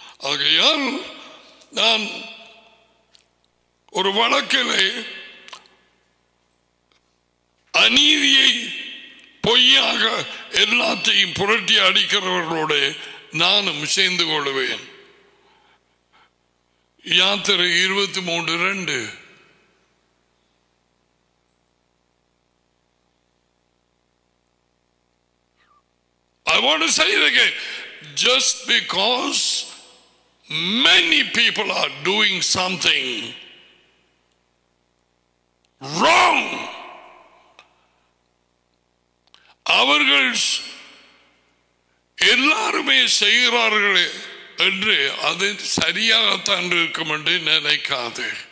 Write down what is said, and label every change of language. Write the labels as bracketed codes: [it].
[ta] ஆகையால் நான் ஒரு வழக்கிலே அநீதியை பொய்யாக எல்லாத்தையும் புரட்டி அடிக்கிறவர்களோட நானும் சேர்ந்து கொள்வேன். [en] யாத்திரை 23:2 I want to say it again. Just because many people are doing something wrong, [ta] அவர்கள் எல்லாருமே செய்கிறார்கள் என்று அது சரியாகத்தான் இருக்கும் என்று நினைக்காது.